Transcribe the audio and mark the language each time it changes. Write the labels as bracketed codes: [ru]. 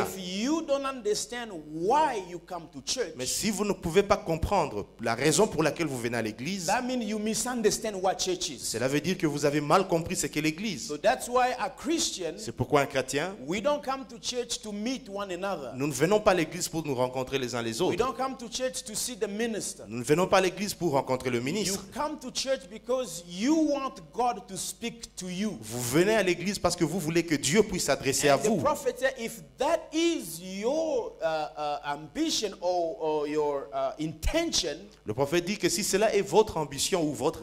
[en] But if you don't understand why you come to church, [fr] mais si vous ne pouvez pas comprendre la raison pour laquelle vous venez à l'église, [en] that means you misunderstand what church is. [fr] Cela veut dire que vous avez mal compris ce qu'est l'église. [en] So that's why a Christian, [fr] c'est pourquoi un chrétien, [en] we don't come to church church to meet one another. [fr] Nous ne venons pas à l'église pour nous rencontrer les uns les autres. [en] We don't come to church to see the minister. [fr] Nous ne venons pas à l'église pour rencontrer le ministre. [en] You come to church because you want God to speak to you. [fr] Vous venez à l'église parce que vous voulez que Dieu puisse s'adresser [en] and [fr] à vous. [en] The prophet said, if that is your ambition or your intention. [fr] Le prophète dit que si cela est votre ambition ou votre